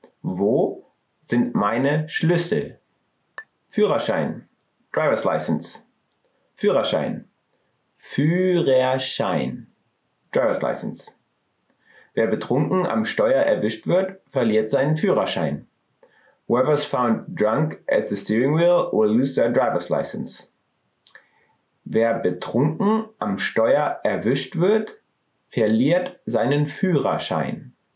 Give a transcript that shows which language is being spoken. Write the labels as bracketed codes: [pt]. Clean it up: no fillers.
[de] Wo sind meine Schlüssel? Führerschein. Driver's license. Führerschein. Führerschein. Driver's license. Wer betrunken am Steuer erwischt wird, verliert seinen Führerschein. [en] Whoever's found drunk at the steering wheel will lose their driver's license. [de] Wer betrunken am Steuer erwischt wird, verliert seinen Führerschein.